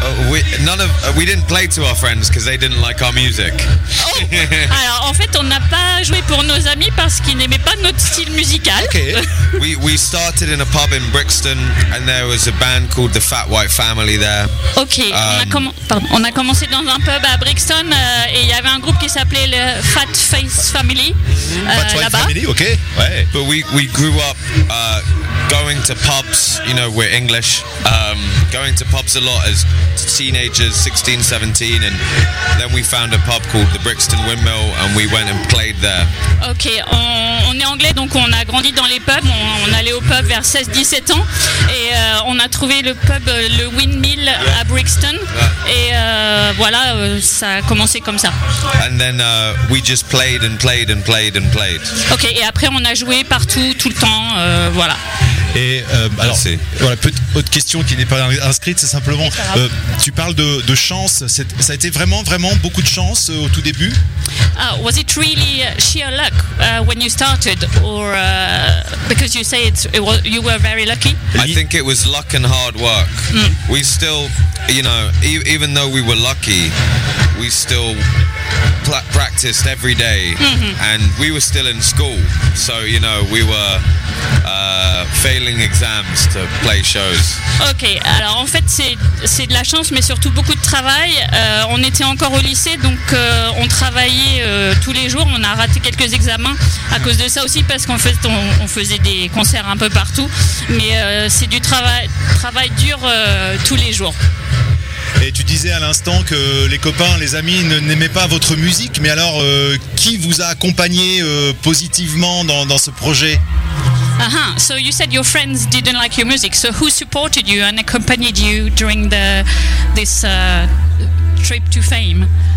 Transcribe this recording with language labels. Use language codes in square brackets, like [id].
[en] We didn't play to our friends because they didn't like our music. Oh. [fr] Alors en fait on n'a pas joué pour nos amis parce qu'ils n'aimaient pas notre style musical. Okay. [en] We started in a pub in Brixton and there was a band called the Fat White Family there. Okay. [fr] On a commencé dans un pub à Brixton et il y avait un groupe qui s'appelait le Fat Face Family. [en] Fat White [fr] là-bas. [en] Family, okay. Ouais. But we grew up going to pubs, you know, we're English, going to pubs a lot as teenagers, 16, 17, and then we found a pub called the Brixton Windmill and we went and played there. [fr] Okay, on est anglais, donc on a grandi dans les pubs, on allait au pub vers 16, 17 ans, et on a trouvé le pub, le Windmill, yeah, à Brixton, yeah, et voilà, ça a commencé comme ça. [en] And then we just played and played and played and played. [fr] Okay, et après on a joué partout, tout le temps, voilà. Et alors, voilà, autre question qui n'est pas inscrite, c'est simplement, tu parles de chance. Ça a été vraiment, vraiment beaucoup de chance au tout début. [en] Was it really sheer luck when you started, or because you say you were very lucky? I think it was luck and hard work. We still, you know, even though we were lucky, we still practiced every day, and we were still in school, so you know we were failing exams to play shows. [fr] Okay, alors en fait c'est de la chance, mais surtout beaucoup de travail. On était encore au lycée, donc on travaillait tous les jours. On a raté quelques examens à cause de ça aussi, parce qu'en fait on faisait des concerts un peu partout, mais c'est du travail dur tous les jours. Et tu disais à l'instant que les copains, les amis n'aimaient pas votre musique, mais alors qui vous a accompagné positivement dans ce projet? [en] So you said your friends didn't like your music, so who supported you and accompanied you during this trip to fame?